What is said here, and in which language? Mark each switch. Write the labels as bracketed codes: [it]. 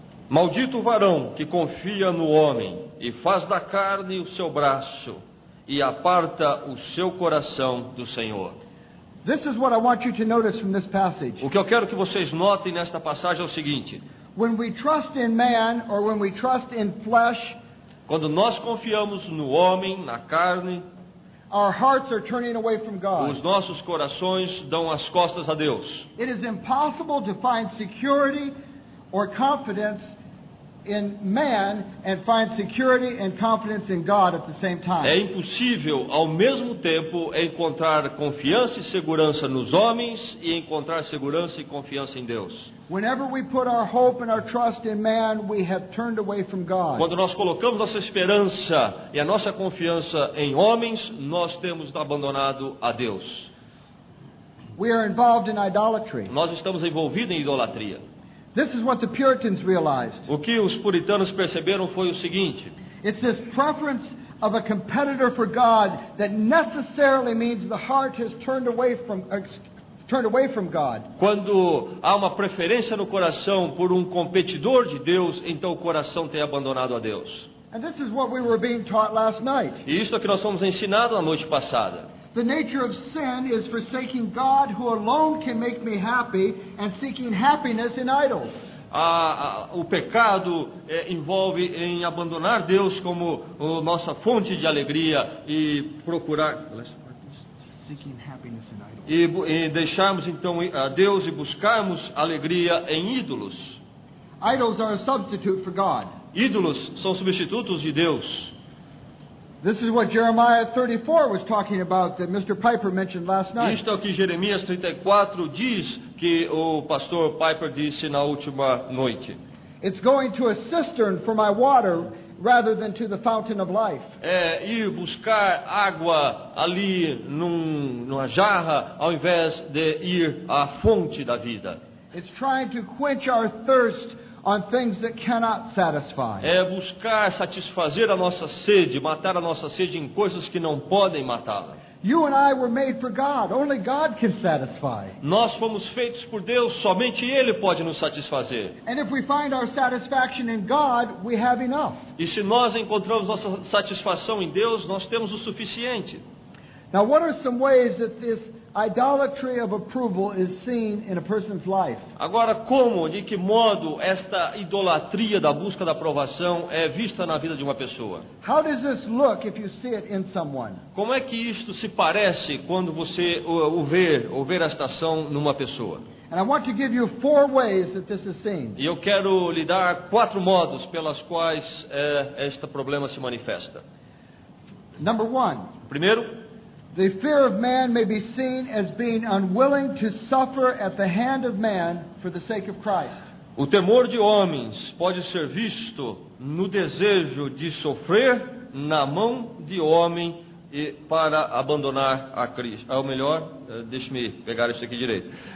[pt] Maldito o varão que confia no homem e faz da carne o seu braço e aparta o seu coração do Senhor. [en] This is what I want you to notice from this passage. [pt] O que eu quero que vocês notem nesta passagem é o seguinte: [en] When we trust in man or when we trust in flesh, [pt] quando nós confiamos no homem, na carne, [en] our hearts are turning away from God. [pt] Os nossos corações dão as costas a Deus. [en] It is impossible to find security or confidence in man and find security and confidence in God at the same time. [pt] É impossível, ao mesmo tempo, encontrar confiança e segurança nos homens e encontrar segurança e confiança em Deus. [en] Whenever we put our hope and our trust in man, we have turned away from God. [pt] Quando nós colocamos nossa esperança e a nossa confiança em homens, nós temos abandonado a Deus. [en] We are involved in idolatry. [pt] Nós estamos envolvidos em idolatria. [en] This is what the Puritans realized. [pt] O que os puritanos perceberam foi o seguinte: [en] It's this preference of a competitor for God that necessarily means the heart has turned away from God. [pt] Quando há uma preferência no coração por um competidor de Deus, então o coração tem abandonado a Deus. [en] And this is what we were being taught last night. [pt] E isto é que nós fomos ensinados na noite passada. [en] The nature of sin is forsaking God who alone can make me happy and seeking happiness in idols. [pt] O pecado envolve em abandonar Deus como nossa fonte de alegria e procurar [en] seeking happiness in idols. [pt] E deixarmos então a Deus e buscarmos alegria em ídolos. [en] Idols are a substitute for God. [pt] Ídolos são substitutos de Deus. [en] This is what Jeremiah 34 was talking about that Mr. Piper mentioned last night. [pt] Isto é o que Jeremias 34 diz que o pastor Piper disse na última noite. [en] It's going to a cistern for my water rather than to the fountain of life. [pt] É ir buscar água ali numa jarra ao invés de ir à fonte da vida. [en] It's trying to quench our thirst on things that cannot satisfy. [pt] É buscar satisfazer a nossa sede, matar a nossa sede em coisas que não podem matá-la. [en] You and I were made for God. Only God can satisfy. [pt] Nós fomos feitos por Deus, somente Ele pode nos satisfazer. [en] And if we find our satisfaction in God, we have enough. [pt] E se nós encontramos nossa satisfação em Deus, nós temos o suficiente. [en] Now, what are some ways that this idolatry of approval is seen in a person's life? [pt] Agora, como, de que modo esta idolatria da busca da aprovação é vista na vida de uma pessoa? [en] How does this look if you see it in someone? [pt] Como é que isto se parece quando você vê esta ação numa pessoa? [en] And I want to give you four ways that this is seen. [pt] E eu quero lhe dar quatro modos pelas quais este problema se manifesta. [en] Number one. [pt] Primeiro. [en] The fear of man may be seen as being unwilling to suffer at the hand of man for the sake of Christ. [pt] O temor de homens pode ser visto no desejo de sofrer na mão de homem e para abandonar a Cristo. Ou melhor, deixe-me pegar isso aqui direito.